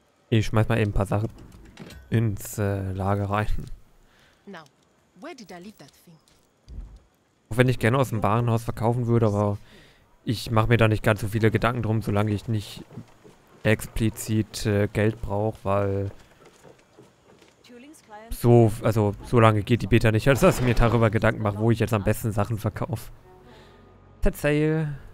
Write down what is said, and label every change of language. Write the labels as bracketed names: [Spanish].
[German] Ich schmeiß mal eben ein paar Sachen ins Lager rein. [English] Now, where did I leave that thing? [German] Auch wenn ich gerne aus dem Warenhaus verkaufen würde, aber ich mache mir da nicht ganz so viele Gedanken drum, solange ich nicht explizit Geld brauche, weil so, also so lange geht die Beta nicht, als dass ich mir darüber Gedanken mache, wo ich jetzt am besten Sachen verkaufe. Tatsächlich.